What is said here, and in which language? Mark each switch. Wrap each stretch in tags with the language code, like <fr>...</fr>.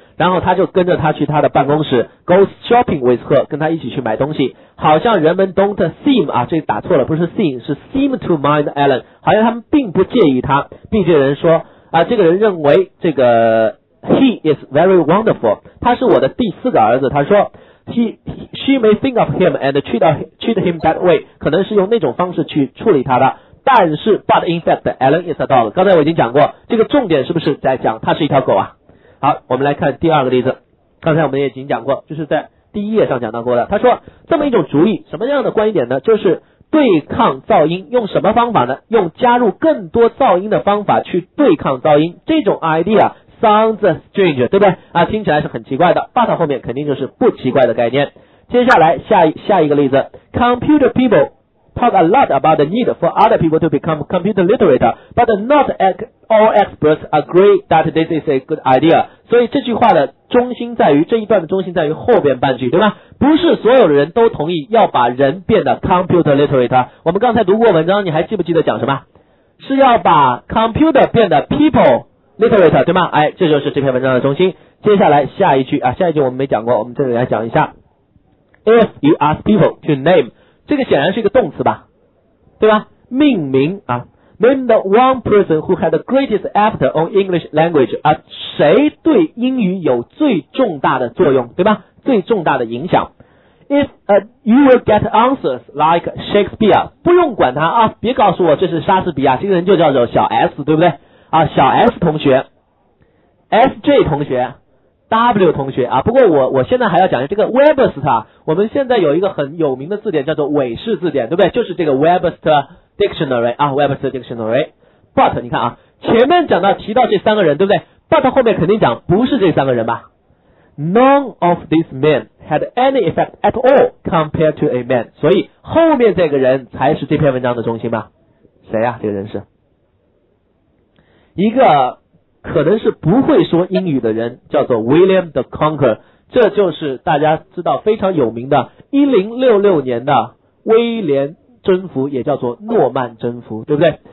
<zh>然后他就跟着他去他的办公室 ，</zh> <en>go shopping with her，</en> <zh>跟他一起去买东西。好像人们</zh> <en>don't seem</en> <zh>啊，这打错了，不是 seem， 是</zh> <en>seem to mind Alan，</en> <zh>好像他们并不介意他。 B 这个人说啊，这个人认为这个</zh> <en>he is very wonderful，</en> <zh>他是我的第四个儿子。他说</zh> <en>she may think of him and treat him that way，</en> <zh>可能是用那种方式去处理他的。但是</zh> <en>but in fact Alan is a dog，</en> <zh>刚才我已经讲过，这个重点是不是在讲他是一条狗啊？好，我们来看第二个例子。刚才我们也已经讲过，就是在第一页上讲到过的。他说这么一种主意，什么样的观点呢？就是对抗噪音，用什么方法呢？用加入更多噪音的方法去对抗噪音。这种</zh> <en>idea sounds strange，</en> <zh>对不对啊？听起来是很奇怪的， but 后面肯定就是不奇怪的概念。接下来下一个例子，</zh> <en>computer people talk a lot about the need for other people to become computer literate but not act All experts agree that this is a good idea。</en> <zh>所以这句话的中心在于，这一段的中心在于后边半句，对吧？不是所有的人都同意要把人变得 computer literate。我们刚才读过文章，你还记不记得讲什么？是要把 computer 变得 people literate， 对吗？哎，这就是这篇文章的中心。接下来下一句啊，下一句我们没讲过，我们这里来讲一下。</zh> <en>If you ask people to name，</en> <zh>这个显然是一个动词吧，对吧？命名啊。</zh> <en>Name the one person who had the greatest effect on English language</en> <zh>啊，谁对英语有最重大的作用，对吧？最重大的影响。</zh> <en>If you will get answers like Shakespeare，</en> <zh>不用管他啊，别告诉我这是莎士比亚，这个人就叫做小 S， 对不对？啊，小 S 同学 ，SJ 同学 ，W 同学啊。不过我现在还要讲这个 Webster 啊，我们现在有一个很有名的字典叫做韦氏字典，对不对？就是这个 Webster Dictionary 啊 ，Webster Dictionary， but 你看啊，前面讲到提到这三个人，对不对？ but 后面肯定讲不是这三个人吧？</zh> <en>None of these men had any effect at all compared to a man，</en> <zh>所以后面这个人才是这篇文章的中心吧？谁啊？这个人是一个可能是不会说英语的人，叫做 William the Conqueror， 这就是大家知道非常有名的1066年的威廉征服，也叫做诺曼征服，对不对？</zh>